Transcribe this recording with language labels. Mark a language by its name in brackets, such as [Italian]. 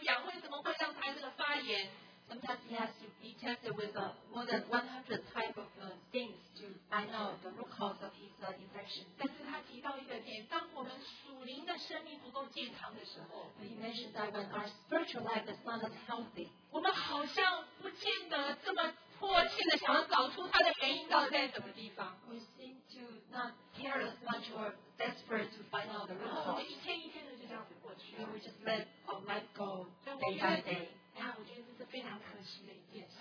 [Chinese] 想要找出来那个病因到底是什么？为什么会让他生病？为什么会让他皮肤痒？为什么会让他这个发炎？ [English] Sometimes he has to be tested with more than 100 type of things to find out the root cause of his infection. [Chinese] 但是他提到一个点，当我们属灵的生命不够健康的时候， [English] he mentioned that when our spiritual life is not as healthy, [Chinese] 我们好像不见得这么迫切的想要找出它的原因到底在什么地方。 [English] We seem to not care as much or desperate to find out the root cause. [Chinese] 我们一天一天的就这样子过去。 [English] We just let our life go day by day. [Chinese] 那我觉得这是非常可惜的一件事。